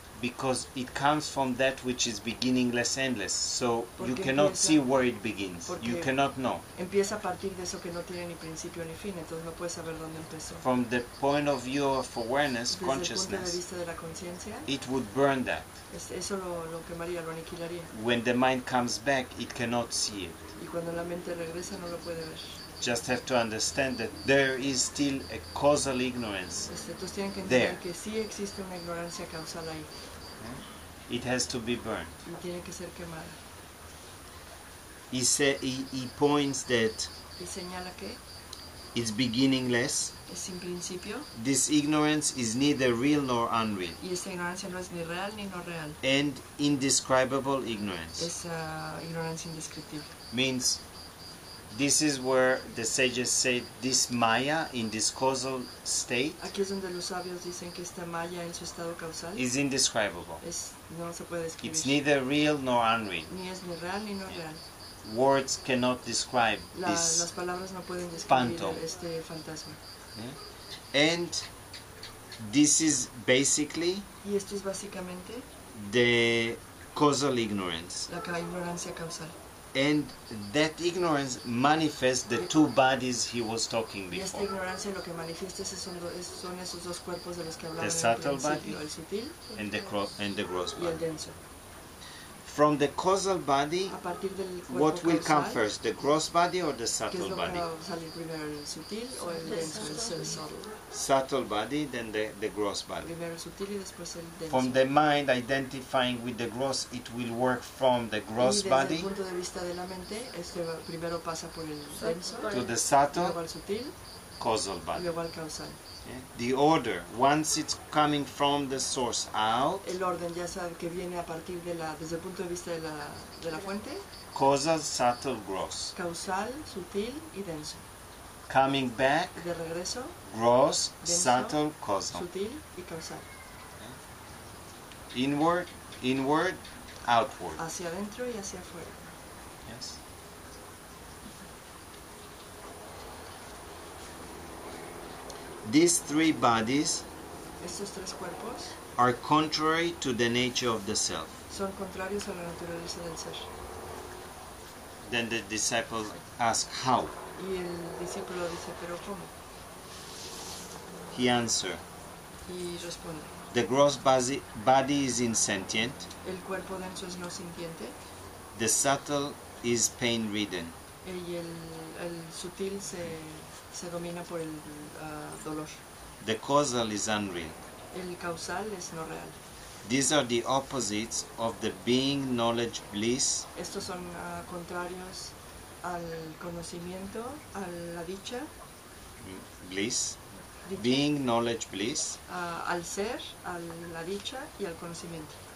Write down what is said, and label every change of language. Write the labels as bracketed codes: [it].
[en] Because it comes from that which is beginningless, endless. So [es] porque [en] you cannot [es] empieza, [en] see where it begins. You cannot know. [es] Empieza a partir de eso que no tiene ni principio ni fin, entonces no puedes saber dónde empezó. [en] From the point of view of awareness, [es] desde [en] consciousness, [es] el punto de vista de la conciencia, [en] it would burn that. [es] Eso lo quemaría, lo aniquilaría. [en] When the mind comes back, it cannot see it. [es] Y cuando la mente regresa, no lo puede ver. [en] Just have to understand that there is still a causal ignorance. [es] Entonces tienen que entender que sí existe una ignorancia causal ahí. [en] It has to be burned. [es] Y tiene que ser quemada. [en] He points that. [es] ¿Y señala qué? [en] It's beginningless. [es] Es sin principio. [en] This ignorance is neither real nor unreal. [es] Y esta ignorancia no es ni real ni no real. [en] And indescribable ignorance. [es] Es ignorancia indescriptible. [en] Means. This is where the sages say this Maya in this causal state. [es] Aquí es donde los sabios dicen que esta Maya en su estado causal [en] is indescribable. [es] Es, no se puede describir. [en] It's neither real nor unreal. [es] Ni es ni real ni no real. [en] Words cannot describe this. [es] Las palabras no pueden describir este fantasma. [en] Yeah. And this is basically. [es] Y esto es básicamente. [en] The causal ignorance. [es] La ignorancia causal. [en] And that ignorance manifests the two bodies he was talking before. [es] Y esta ignorancia lo que manifiesta son esos dos cuerpos de los que hablaba. [en] The subtle body, [es] el sutil, [en] and the gross body. [es] Y el denso. [en] From the causal body, [es] a partir del cuerpo [en] what will [es] causal, [en] come first, the gross body or the subtle [es] que [en] body? [es] ¿Qué es lo que va a salir primero, el sutil o el denso, el subtle? [en] Subtle body, then the gross body. [es] Primero el sutil y después el denso. [en] From the mind identifying with the gross, it will work from the gross body. [es] Y desde el punto de vista de la mente, este primero pasa por el denso. [en] To the subtle, [es] luego al sutil, [en] causal body. [es] Luego al causal. [en] Yeah. The order, once it's coming from the source out, [es] el orden ya sabe que viene a partir de la, desde el punto de vista de la fuente, [en] causal, subtle, gross, [es] causal, sutil y denso, [en] coming back, [es] de regreso, [en] gross, [es] denso, [en] subtle, causal, [es] sutil y causal, [en] yeah. Inward, outward, [es] hacia adentro y hacia afuera. [en] Yes. These three bodies [es] estos tres cuerpos [en] are contrary to the nature of the self. [es] Son contrarios a la naturaleza del ser. [en] Then the disciple asks, how? [es] Y el discípulo dice, ¿pero cómo? [en] He answers. [es] Y responde. [en] The gross body is insentient. [es] El cuerpo denso es no sintiente. [en] The subtle is pain-ridden. [es] Y el sutil se domina por el dolor. [en] The causal is unreal. [es] El causal es no real. [en] These are the opposites of the being, knowledge, bliss. [es] Estos son contrarios al conocimiento, a la dicha. [en] Bliss. Dicha. Being, knowledge, bliss. [es] Al ser, a la dicha y al conocimiento.